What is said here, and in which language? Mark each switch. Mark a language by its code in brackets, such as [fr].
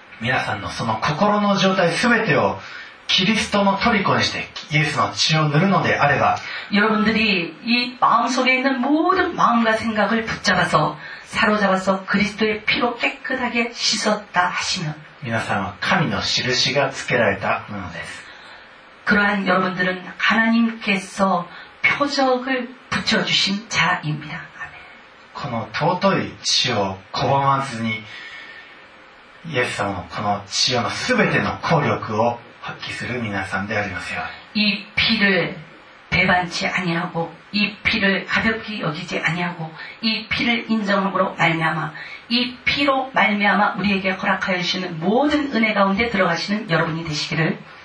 [ja] 皆さんのその心の状態全てをキリストの虜にしてイエスの血を塗るのであれば [ko] 여러분들이이마음속에있는모든마음과생각을붙잡아서사로잡아서그리스도의피로깨끗하게씻었다하시면 [ja] 皆さんは神の印がつけられたものです [ko] 그러한여러분들은하나님께서표적을붙여주신자입니다 [ja] この尊い血を拒まずにイエス様のこの血の全ての効力を発揮する皆さんでありますよ。 [ko] 이피를배반치아니하고이피를가볍게여기지아니하고이피를인정함으로말미암아이피로말미암아우리에게허락하여주시는모든은혜가운데들어가시는여러분이되시기를